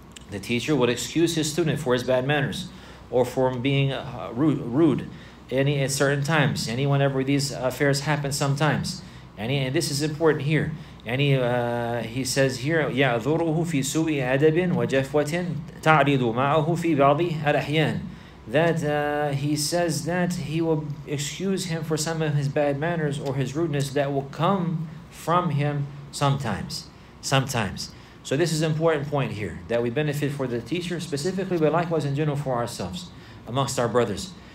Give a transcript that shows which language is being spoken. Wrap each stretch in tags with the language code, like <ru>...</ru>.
<en>The teacher would excuse his student for his bad manners, or for being rude at certain times, whenever these affairs happen sometimes. And this is important here. He says here,</en> <ar>يَعْذُرُهُ فِي سُوءِ أَدَبٍ وَجَفْوَةٍ تَعْرِضُ مَعَهُ فِي بَعْضِ الْأَحْيَانِ.</ar> <en>That he says that he will excuse him for some of his bad manners or his rudeness that will come from him sometimes. So this is an important point here, that we benefit for the teacher specifically, but likewise in general for ourselves, amongst our brothers.</en>